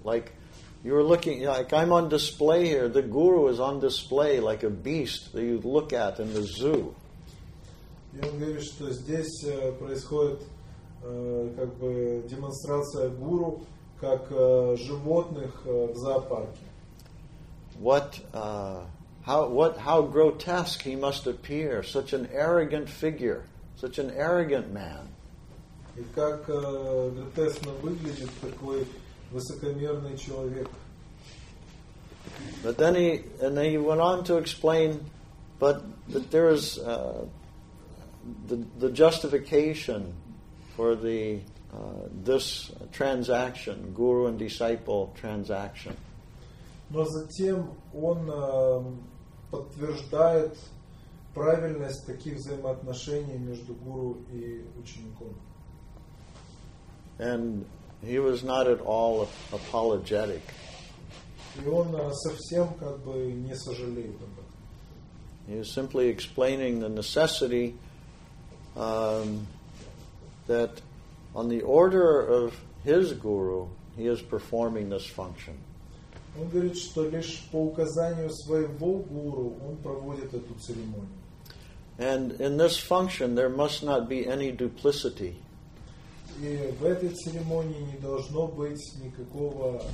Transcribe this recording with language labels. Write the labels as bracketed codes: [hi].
[en] Like you're looking, like I'm on display here. The guru is on display, like a beast that you look at in the zoo. [ru] Я говорю, что здесь происходит как бы демонстрация гуру как животных в зоопарке. [en] how grotesque he must appear, such an arrogant figure, such an arrogant man. [ru] И как гротескно выглядит такой высокомерный человек. [en] But then he went on to explain, but there is the justification for the this transaction, guru and disciple transaction. [ru] Но затем он подтверждает правильность таких взаимоотношений между гуру и учеником. [en] And he was not at all apologetic. [ru] И он совсем как бы не сожалеет об этом. [en] He was simply explaining the necessity that on the order of his guru, he is performing this function. [ru] Он говорит, что лишь по указанию своего гуру он проводит эту церемонию. [en] And in this function, there must not be any duplicity. [ru] И в этой церемонии не должно быть никакого